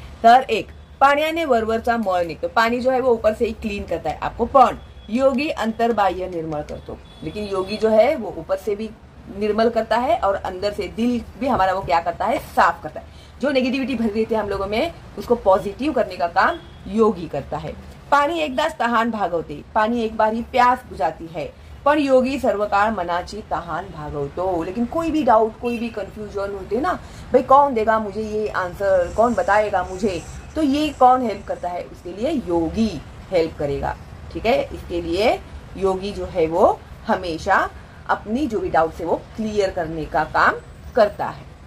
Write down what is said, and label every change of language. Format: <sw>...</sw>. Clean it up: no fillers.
<mr>तर एक, पाण्याने वरवरचा मळ निघतो,</mr> <hi>पानी जो है वो ऊपर से ही क्लीन करता है आपको,</hi> <mr>पण योगी अंतर बाह्य निर्मल करतो,</mr> <hi>लेकिन योगी जो है वो ऊपर से भी निर्मल करता है और अंदर से दिल भी हमारा वो क्या करता है, साफ करता है। जो नेगेटिविटी भरी रहती है हम लोगों में उसको पॉजिटिव करने का काम योगी करता है।</hi> <mr>पानी एकदा स्थान भागवते,</mr> <hi>पानी एक बार ही प्यास बुझाती है,</hi> <mr>पण योगी सर्वकार मनाची तहान भागवतो।</mr> <hi>लेकिन कोई भी डाउट, कोई भी कंफ्यूजन होते ना, भाई कौन देगा मुझे ये आंसर, कौन बताएगा मुझे, तो ये कौन हेल्प करता है, उसके लिए योगी हेल्प करेगा। ठीक है, इसके लिए योगी जो है वो हमेशा अपनी जो भी डाउट है वो क्लियर करने का काम करता है।</hi>